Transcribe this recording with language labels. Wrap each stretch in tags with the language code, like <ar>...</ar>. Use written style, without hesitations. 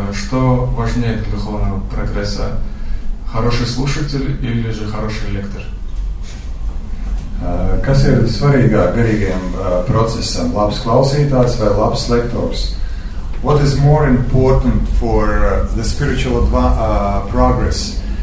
<ru>Что важнее для духовного прогресса? Хороший слушатель или же хороший лектор?</ru> <lv>Kas ir svarīgāk garīgiem procesam? Labs klausītājs vai labs lektors?</lv> <en>What is more important for the spiritual progress?</en>